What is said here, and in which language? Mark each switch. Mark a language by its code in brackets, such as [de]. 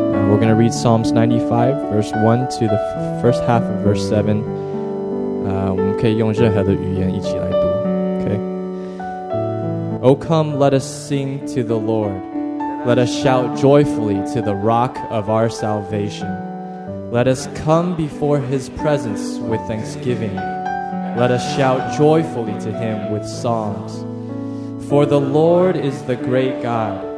[en] We're going to read Psalms 95, verse 1 to the first half of verse 7. [zh] 我们可以用任何的语言一起来读 okay? [en] Oh come, let us sing to the Lord. Let us shout joyfully to the rock of our salvation. Let us come before his presence with thanksgiving. Let us shout joyfully to him with psalms. For the Lord is the great God.